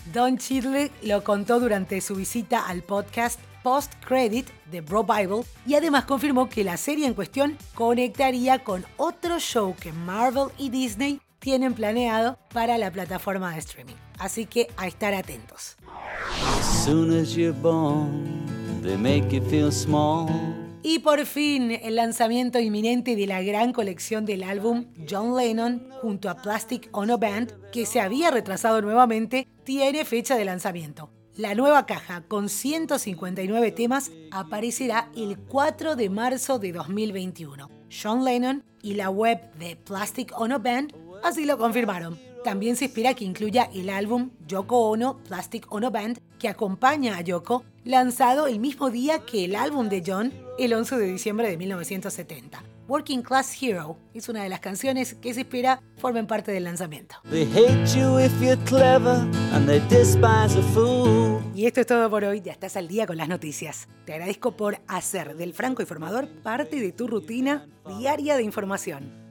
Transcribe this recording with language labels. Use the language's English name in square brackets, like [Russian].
[Spanish] Don Cheadle lo contó durante su visita al podcast Post Credit de Bro Bible y además confirmó que la serie en cuestión conectaría con otro show que Marvel y Disney tienen planeado para la plataforma de streaming. Así que a estar atentos. [English] As soon as you're born, they make you feel small. [Spanish] Y por fin, el lanzamiento inminente de la gran colección del álbum John Lennon junto a Plastic Ono Band, que se había retrasado nuevamente, tiene fecha de lanzamiento. La nueva caja, con 159 temas, aparecerá el 4 de marzo de 2021. John Lennon y la web de Plastic Ono Band así lo confirmaron. También se espera que incluya el álbum Yoko Ono, Plastic Ono Band, que acompaña a Yoko, lanzado el mismo día que el álbum de John, el 11 de diciembre de 1970. Working Class Hero es una de las canciones que se espera formen parte del lanzamiento. [English] They hate you if you're clever and they despise a fool. [Spanish] Y esto es todo por hoy, ya estás al día con las noticias. Te agradezco por hacer del Franco Informador parte de tu rutina diaria de información.